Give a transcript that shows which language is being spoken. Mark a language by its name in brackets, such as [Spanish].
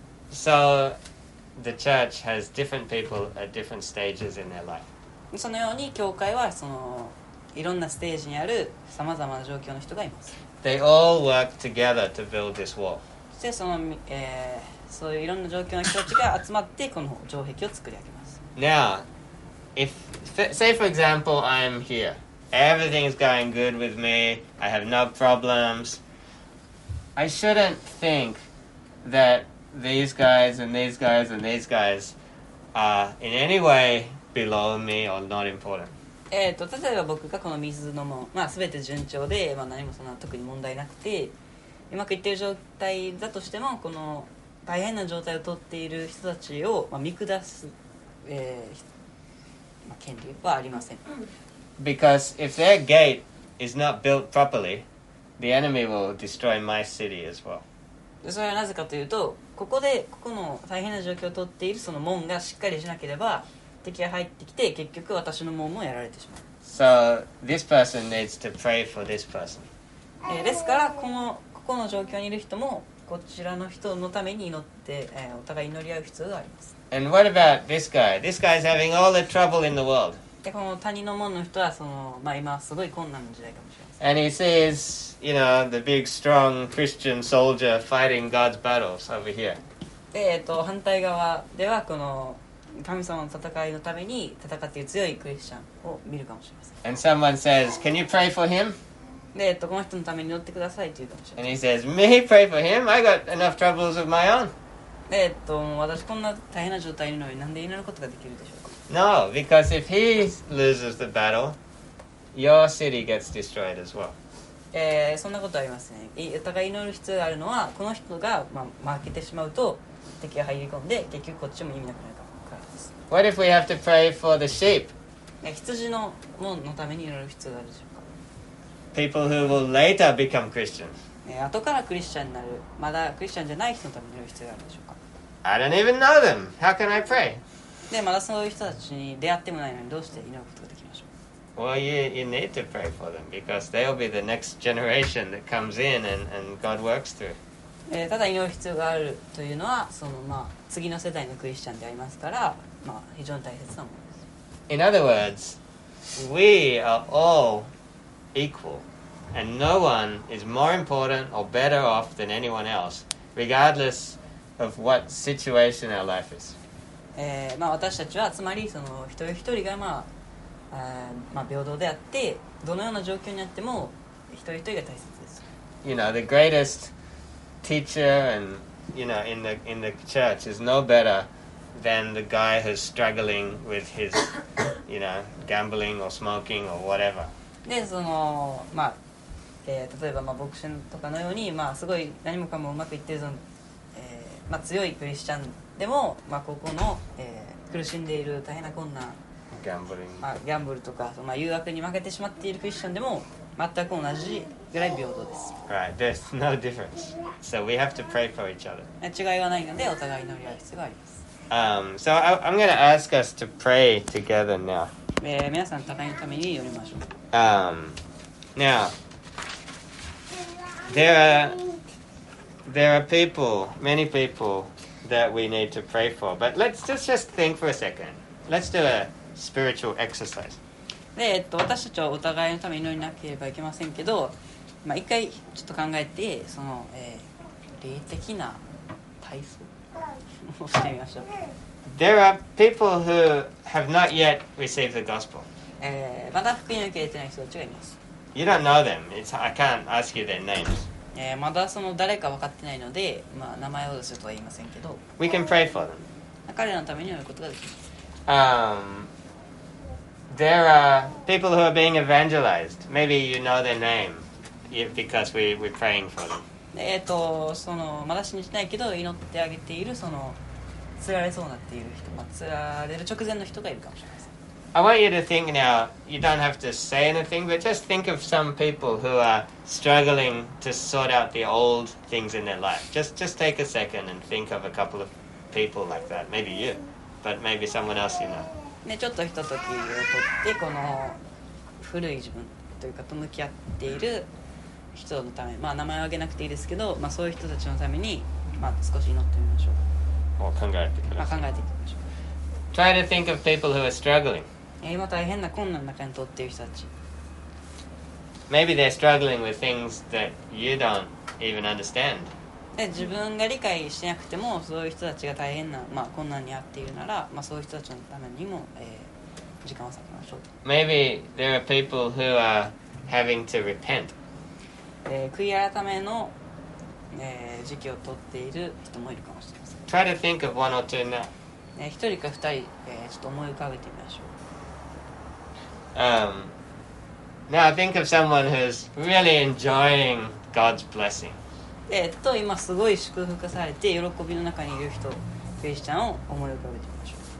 [English] So the church has different people at different stages in their life. [Japanese] そのように教会はそのいろんなステージにあるさまざまな状況の人がいます。 [English] They all work together to build this wall. [Japanese] そしてそのそういういろんな状況の人たちが集まってこの城壁を作り上げます。 [English] Now, if say for example I'm here, everything is going good with me, I have no problems. I shouldn't think that these guys and these guys and these guys are in any way below me or not important. [Japanese] 例えば僕がこの水の門、すべて順調で、何もそんな特に問題なくて、うまくいっている状態だとしてもこの大変な状態をとっている人たちを、見下す、権利はありません。 [English] Because if their gate is not built properly, the enemy will destroy my city as well. [Japanese] それはなぜかというと、ここの大変な状況をとっているその門がしっかりしなければ、敵が入ってきて、結局私の門もやられてしまう。 [English] So this person needs to pray for this person. [Japanese] ですから、ここの状況にいる人も、こちらの人のために祈って、お互い祈り合う必要があります。 [English] And what about this guy? This guy is having all the trouble in the world. [Japanese] で、この谷の門の人は、今すごい困難の時代かもしれません。 [English] And he sees, you know, the big strong Christian soldier fighting God's battles over here. [Japanese] で、反対側では、この神様の戦いのために戦っている強いクリスチャンを見るかもしれません。 [English] And someone says, can you pray for him? [Japanese] で、この人のために祈ってくださいって言うかもしれない。 [English] And he says, me pray for him? I got enough troubles of my own. [Japanese] で、私こんな大変な状態にいるのになんで祈ることができるでしょうか。 [English] No, because if he loses the battle, your city gets destroyed as well. [Japanese] そんなことありますね。お互い祈る必要があるのは、この人が、負けてしまうと敵が入り込んで、結局こっちも意味なくなるからです。 [English] What if we have to pray for the sheep? [Japanese] 羊の門のために祈る必要があるでしょう。 [English] People who will later become Christians. [Japanese] 後からクリスチャンになる、まだクリスチャンじゃない人のために祈る必要があるでしょうか。 [English] I don't even know them. How can I pray? [Japanese] で、まだそういう人たちに出会ってもないのにどうして祈ることができましょう。 [English] Well, you need to pray for them because they'll be the next generation that comes in and God works through. [Japanese] ただ祈る必要があるというのは、次の世代のクリスチャンでありますから、非常に大切なものです。 [English] In other words, we are allequal, and no one is more important or better off than anyone else, regardless of what situation our life is. [Japanese] 私たちはつまりその一人一人が平等であって、どのような状況にあっても一人一人が大切です。 [English] You know, the greatest teacher and you know in the church is no better than the guy who's struggling with his you know gambling or smoking or whatever. [Japanese] で、て、例えばまあ牧師とかのように、まあ、すごい何もかもうまくいってるぞ、まあ、強いクリスチャンでも、まあ、ここの、苦しんでいる大変な困難、ギャンブリング、まあ、ギャンブルとか、まあ、誘惑に負けてしまっているクリスチャンでも全く同じぐらい平等です。 [English] Right, there's no difference. So we have to pray for each other. [Japanese] 違いはないのでお互い祈り合う必要があります。 [English] So I'm going to ask us to pray together now. [Japanese] 皆さん互いのために祈りましょう。 [English] Now, there are people, many people that we need to pray for. But let's just think for a second. Let's do a spiritual exercise. [Japanese] で、私たちはお互いのために祈りなければいけませんけど、まあ一回ちょっと考えて、その、霊的な体操をしてみましょう。 [English] There are people who have not yet received the gospel. [Japanese] まだ福音を受け入れてない人たちがいます。 [English] You don't know them. I can't ask you their names. [Japanese] まだその誰か分かってないので、まあ、名前を出すとは言いませんけど。 [English] We can pray for them. [Japanese] 彼らのために祈ることができます。 [English] There are people who are being evangelized. Maybe you know their name because we're praying for them. [Japanese] その、まだ信じないけど祈ってあげているその、釣られそうになっている人、まあ、釣られる直前の人がいるかもしれない。 [English] I want you to think now, you don't have to say anything, but just think of some people who are struggling to sort out the old things in their life. Just take a second and think of a couple of people like that. Maybe you, but maybe someone else you know. [Japanese] ね、ちょっとひとときをとって、この古い自分というかと向き合っている人のため、まあ名前を挙げなくていいですけど、まあそういう人たちのために、まあ少し祈ってみましょう。もう考えてください。まあ考えていきましょう。 [English] Try to think of people who are struggling. [Japanese] 今大変な困難の中に通っている人たち。 [English] Maybe they're struggling with things that you don't even understand. [Japanese] 自分が理解してなくても、そういう人たちが大変な、まあ、困難にあっているなら、まあ、そういう人たちのためにも、時間を割きましょう。 [English] Maybe there are people who are having to repent. [Japanese] 悔い改めの、時期を通っている人もいるかもしれません。 [English] Try to think of one or two now. [Japanese] 一人か二人、ちょっと思い浮かべてみましょう。 [English] Now think of someone who's really enjoying God's blessing. [Japanese] 今すごい祝福されて喜びの中にいる人、クリスチャンを思い浮かべてみましょう。